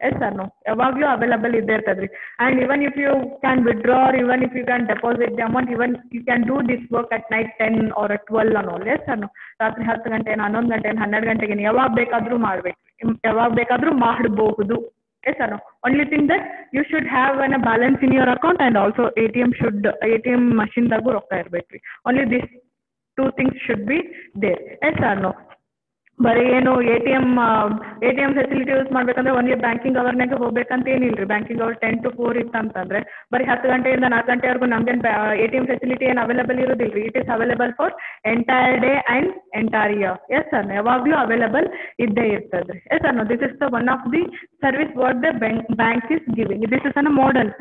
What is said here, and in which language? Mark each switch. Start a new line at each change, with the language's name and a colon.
English: yes sir, no,
Kannada: ಯಾವಾಗ್ಲೂ available ಇದೇ ಇರ್ತದ್ರಿ.
English: And even if you can withdraw, even if you can deposit the amount, even you can do this work at night 10 or 12 ಅನ್ನೋ.
Kannada: Yes sir, no, ರಾತ್ರಿ 10 ಗಂಟೆನ 11 ಗಂಟೆನ 12 ಗಂಟೆಗೆ ಯಾವಾಗ ಬೇಕಾದ್ರೂ ಮಾಡ್ಬೇಕು, ಯಾವಾಗ ಬೇಕಾದ್ರೂ ಮಾಡಬಹುದು.
English: Yes or no? Only thing that you should have a balance in your account and also ATM machine
Kannada: dagu rokka irbeku.
English: Only these two things should be there. Yes or no?
Kannada: ಬರೀ ಏನು A T M facility use ಮಾಡ್ಬೇಕಂದ್ರೆ ಒಂದೇ banking ಅವರ್ನಾಗೆ ಹೋಗ್ಬೇಕಂತ ಏನಿಲ್ಲರಿ. Banking hour 10 to 4 ಇತ್ತಂತಂದ್ರೆ ಬರೀ 10 ಗಂಟೆಯಿಂದ 4 ಗಂಟೆವರೆಗೂ ನಮ್ದೇನು A T M facility ಏನು ಅವೈಲೇಬಲ್ ಇರೋದಿಲ್ಲ.
English: It is available for entire day and entire year. Yes sir,
Kannada: ಯಾವಾಗಲೂ ಅವೈಲೇಬಲ್ ಇದ್ದೇ ಇರ್ತದೆ.
English: Yes ಅನ್ನೋ, this is the one of the service what the bank is giving. This is an model.